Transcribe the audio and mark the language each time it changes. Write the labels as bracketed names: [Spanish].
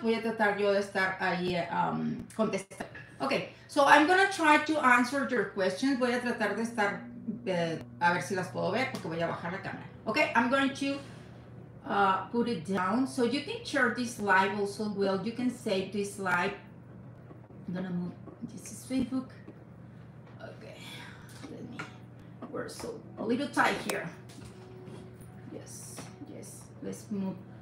[Spanish] Voy a tratar yo de estar ahí contestando. [English] Okay, so I'm going to try to answer your questions. [Spanish] Voy a tratar de estar, a ver si las puedo ver, porque voy a bajar la cámara. [English] Okay, I'm going to put it down. So you can share this live also well. You can save this live. I'm gonna move. This is Facebook. Okay. Let me. We're so a little tight here. Yes. Yes. Let's move.